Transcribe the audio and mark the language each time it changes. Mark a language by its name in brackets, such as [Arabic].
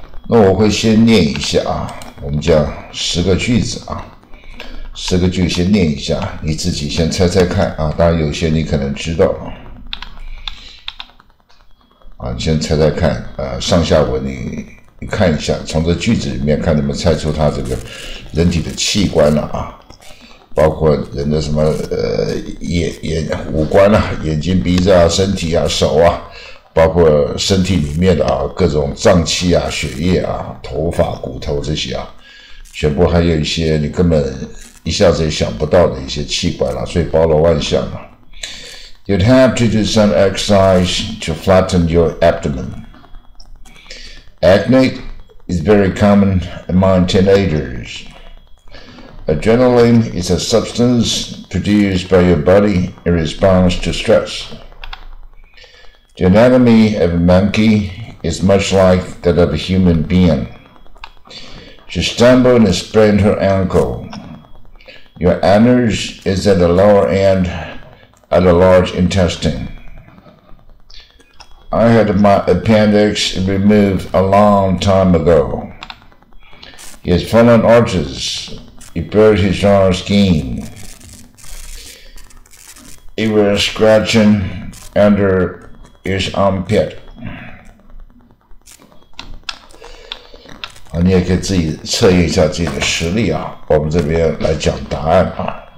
[Chinese] 那我会先念一下啊，我们讲十个句子啊，十个句先念一下，你自己先猜猜看啊，当然有些你可能知道啊，啊，你先猜猜看，上下文你看一下，从这句子里面看能不能猜出它这个人体的器官了 啊，包括人的什么眼五官啊，眼睛、鼻子啊、身体啊、手啊。包括身体里面的啊，各种脏器啊、血液啊、头发、骨头这些啊，全部还有一些你根本一下子也想不到的一些器官啊，所以包罗万象啊。 [English] You'd have to do some exercise to flatten your abdomen. Acne is very common among teenagers. Adrenaline is a substance produced by your body in response to stress. The anatomy of a monkey is much like that of a human being. She stumbled and sprained her ankle. Your anus is at the lower end of the large intestine. I had my appendix removed a long time ago. He has fallen arches. He burned his jaw skin. He was scratching underis armpit. [Chinese] 你也可以自己测验一下自己的实力啊，我们这边来讲答案啊。